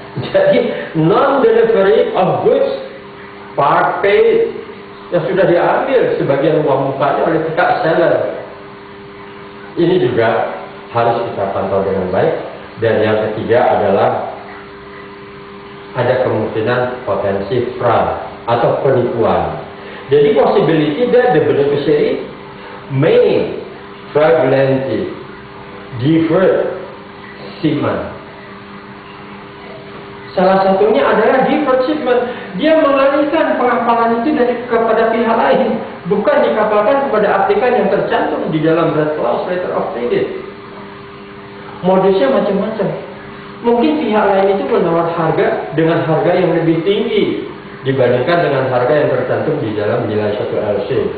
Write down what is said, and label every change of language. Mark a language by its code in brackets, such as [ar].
[id] Jadi non-delivery of goods part paid yang sudah diambil sebagian uang mukanya oleh pihak seller. Ini juga harus kita pantau dengan baik. Dan yang ketiga adalah ada kemungkinan potensi fraud atau penipuan. [en] Jadi possibility that the beneficiary may fraudulently divert shipment. [id] Salah satunya adalah divert shipment. Dia mengalihkan pengapalan itu dari kepada pihak lain, bukan dikapalkan kepada aplikan yang tercantum di dalam red clause letter of credit. Modusnya macam-macam. Mungkin pihak lain itu menawar harga dengan harga yang lebih tinggi dibandingkan dengan harga yang tercantum di dalam nilai satu LC.